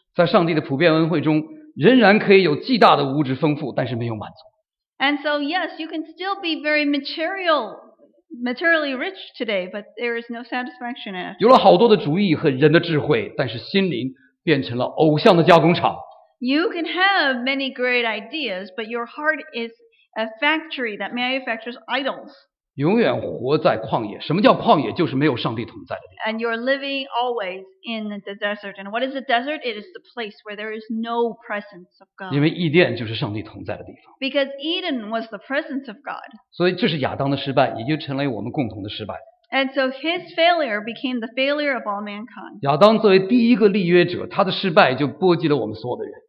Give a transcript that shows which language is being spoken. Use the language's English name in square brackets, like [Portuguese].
[Chinese] 在上帝的普遍恩惠中，仍然可以有极大的物质丰富，但是没有满足。 [English] And so, yes, you can still be very materially rich today, but there is no satisfaction in it. [Chinese] 有了好多的主意和人的智慧，但是心灵变成了偶像的加工厂。 [English] You can have many great ideas, but your heart is a factory that manufactures idols. [Chinese] 永远活在旷野。什么叫旷野？就是没有上帝同在的地方。 [English] And you're living always in the desert. And what is the desert? It is the place where there is no presence of God. [Chinese] 因为伊甸就是上帝同在的地方。 [English] Because Eden was the presence of God. [Chinese] 所以这是亚当的失败，也就成了我们共同的失败。 [English] And so his failure became the failure of all mankind. [Chinese] 亚当作为第一个立约者，他的失败就波及了我们所有的人。